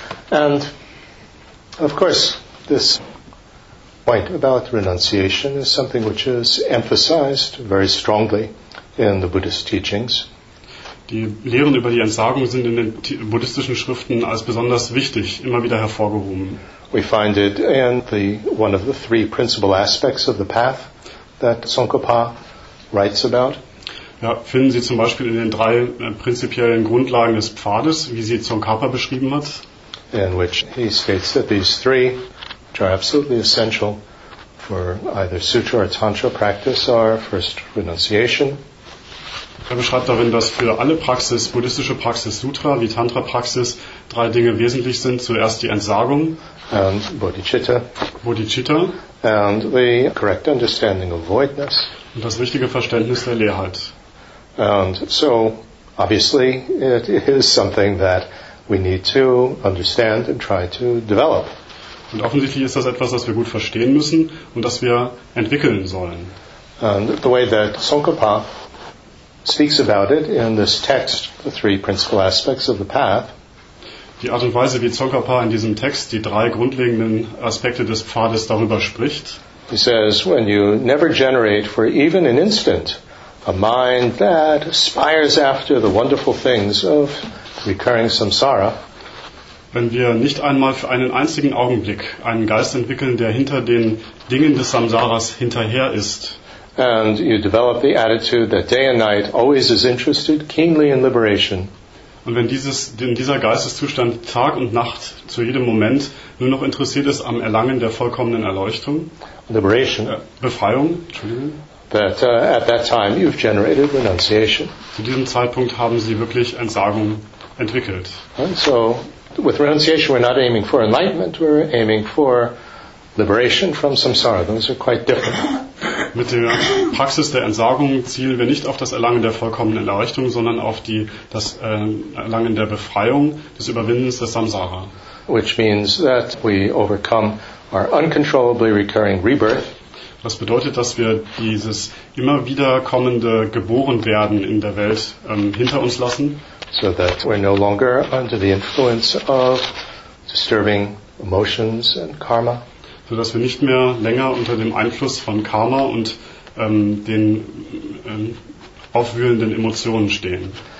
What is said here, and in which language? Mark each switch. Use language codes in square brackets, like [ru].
[en] And, of course, this point about renunciation is something which is emphasized very strongly in the Buddhist teachings. [de] Die Lehren über die Entsagung sind in den buddhistischen Schriften als besonders wichtig immer wieder hervorgehoben. [en] We find it in the one of the three principal aspects of the path that Tsongkhapa writes about. [de] Ja, finden Sie zum Beispiel in den drei prinzipiellen Grundlagen des Pfades, wie sie Tsongkhapa beschrieben hat. [en] In which he states that these three, which are absolutely essential for either sutra or tantra practice, are first renunciation. [de] Er beschreibt darin, dass für alle Praxis, buddhistische Praxis, Sutra wie Tantra-Praxis, drei Dinge wesentlich sind. Zuerst die Entsagung, [en] and bodhicitta, bodhicitta, and the correct understanding of voidness, [de] und das richtige Verständnis der Leerheit. [en] And so, obviously, it is something that we need to understand and try to develop. [de] Und offensichtlich ist das etwas, das wir gut verstehen müssen und das wir entwickeln sollen. [en] And the way that Tsongkhapa speaks about it in this text, the three principal aspects of the path. [de] Die Art und Weise, wie Tsongkhapa in diesem Text die drei grundlegenden Aspekte des Pfades darüber spricht. [en] He says, when you never generate for even an instant a mind that aspires after the wonderful things of recurring samsara. [de] Wenn wir nicht einmal für einen einzigen Augenblick einen Geist entwickeln, der hinter den Dingen des Samsaras hinterher ist. [en] And you develop the attitude that day and night always is interested keenly in liberation. [de] Und wenn dieser Geisteszustand Tag und Nacht zu jedem Moment nur noch interessiert ist am Erlangen der vollkommenen Erleuchtung, [en] liberation, [de] Befreiung, Entschuldigung, [en] that at that time you've generated renunciation. [de] Zu diesem Zeitpunkt haben Sie wirklich Entsagung entwickelt. [en] And so, with renunciation, we're not aiming for enlightenment, we're aiming for liberation from samsara. Those are quite different. [de] Mit der Praxis der Entsagung zielen wir nicht auf das Erlangen der vollkommenen Erleuchtung, sondern auf das Erlangen der Befreiung, des Überwindens des Samsara. [en] Which means that we overcome our uncontrollably recurring rebirth. [de] Was bedeutet, dass wir dieses immer wieder kommende Geborenwerden in der Welt hinter uns lassen. [en] So that we're no longer under the influence of disturbing emotions and karma. [de] So dass wir nicht mehr länger unter dem Einfluss von Karma und den aufwühlenden Emotionen stehen.